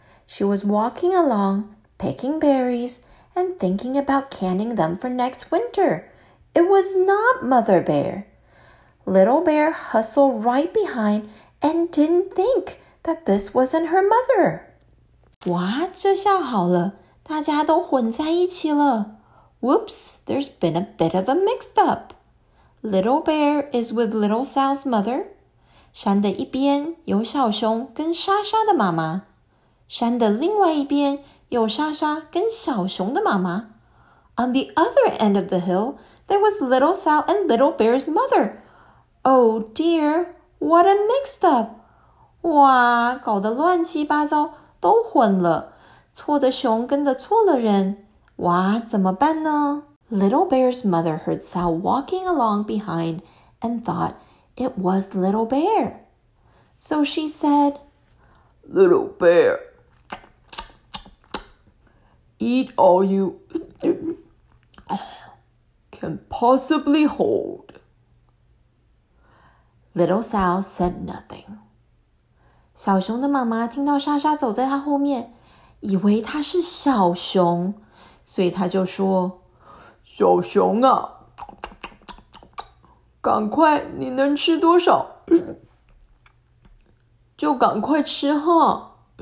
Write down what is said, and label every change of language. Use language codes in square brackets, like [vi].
[en] She was walking along, picking berries, and thinking about canning them for next winter. It was not Mother Bear. Little Bear hustled right behind and didn't think that this wasn't her mother. [zh] 哇，这下好了，大家都混在一起了。 [en] Whoops, there's been a bit of a mix-up. Little Bear is with Little Sal's mother. [zh] 山的一边有小熊跟莎莎的妈妈，山的另外一边有莎莎跟小熊的妈妈。 [en] On the other end of the hill, there was Little Sal and Little Bear's mother. Oh dear, what a mixed up! [zh] 哇，搞得乱七八糟，都混了，错的熊跟的错了人。哇，怎么办呢？ [en] Little Bear's mother heard Sal walking along behind and thought,It was Little Bear. So she said, Little Bear, eat all you can possibly hold. Little Sal said nothing. [zh] 小熊的妈妈听到莎莎走在她后面，以为她是小熊，所以她就说，小熊啊。赶快，你能吃多少就赶快吃哈。